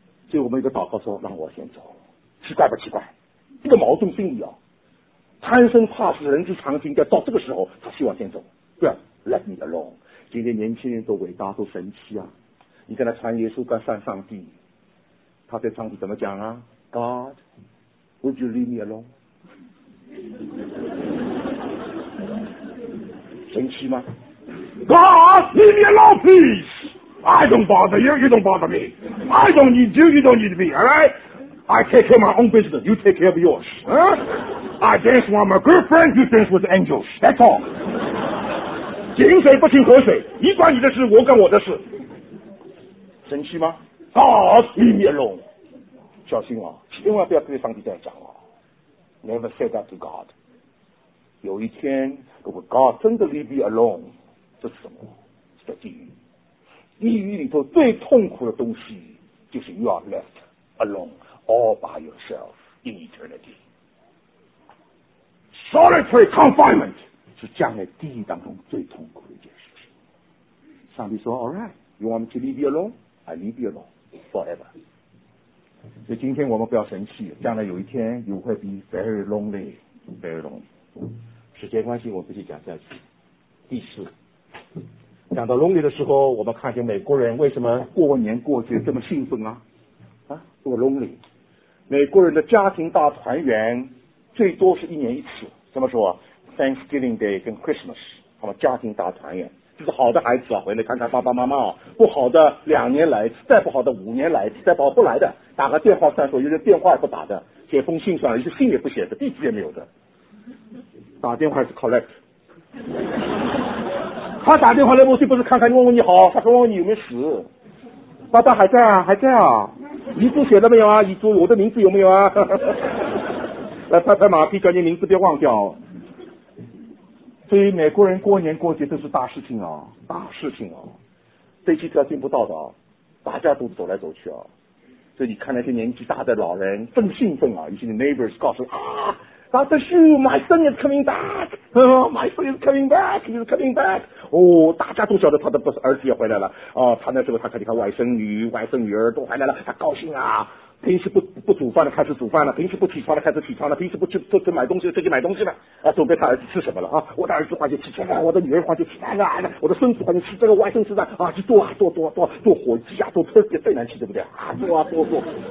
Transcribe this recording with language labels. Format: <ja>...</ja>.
<zh>所以我们有个祷告说让我先走，奇怪不奇怪？这个矛盾心理哦，贪生怕死人之常情，要到这个时候他希望先走，不要</zh> <en>let me alone。</en> <zh>今天年轻人都伟大都神奇啊，你跟他传耶稣跟他算上帝，他对上帝怎么讲啊？</zh> <en>God, would you leave me alone?</en> <zh>神奇吗？</zh> <en>God, leave me alone, please. I don't bother you, you don't bother me. I don't need you, you don't need me, alright? I take care of my own business, you take care of yours.、I dance with my girlfriend, you dance with angels, that's all.</en> <zh>井水不清河水，你管你的事，我管我的事。神奇吗？</zh> <en>God, leave me alone.</en> <zh>小心啊，千万不要跟上帝这样讲啊。</zh> <en>Never say that to God.</en> <zh>有一天如果 God 真的</zh> <en>leave you alone,</en> <zh>这是什么？是在地狱。地狱里头最痛苦的东西就是</zh> <en>you are left alone all by yourself in eternity.</en> <zh>Solitary confinement 是将来地狱当中最痛苦的一件事情。上帝说</zh> <en>alright, you want me to leave you alone? I leave you alone forever.</en> <zh>所以今天我们不要生气，将来有一天</zh> <en>you will be very lonely, very lonely.</en> <zh>时间关系我不去讲下去。第四，讲到 lonely 的时候，我们看见美国人为什么过年过节这么兴奋啊，这么 lonely。美国人的家庭大团圆最多是一年一次，怎么说啊？ Thanksgiving Day 跟 Christmas 他们家庭大团圆，就是好的孩子啊，回来看看爸爸妈妈啊；不好的两年来一次，再不好的五年来一次，再不好不来的，打个电话算数，有些电话也不打的，写封信算了，一些信也不写的，地址也没有的，打电话是 collect。他打电话来目的不是看看问问你好，他说问问你有没有死，爸爸还在啊，还在啊，遗嘱写了没有啊？遗嘱我的名字有没有啊？来拍拍马屁，叫你名字别忘掉。所以美国人过年过节都是大事情啊，大事情啊，这期条件不到的啊，大家都走来走去啊。所以你看那些年纪大的老人正兴奋啊，有些 neighbors 告诉啊</zh> <en>，That's the shoe, my son is coming back, my son is coming back, he's coming back。</en> <zh>哦，大家都晓得他的儿子也回来了啊，他那时候他看见他外甥女、外甥女儿都回来了，他高兴啊。平时不煮饭了，开始煮饭了；平时不起床了，开始起床了；平时不去都买东西了，自己买东西了。啊，准备他儿子吃什么了啊？我的儿子花钱吃这个，我的女儿花钱吃那个，我的孙子花钱吃这个，外甥吃那啊，就做啊做做做做火鸡啊，做特别最难吃，对不对啊？做啊做做。</zh>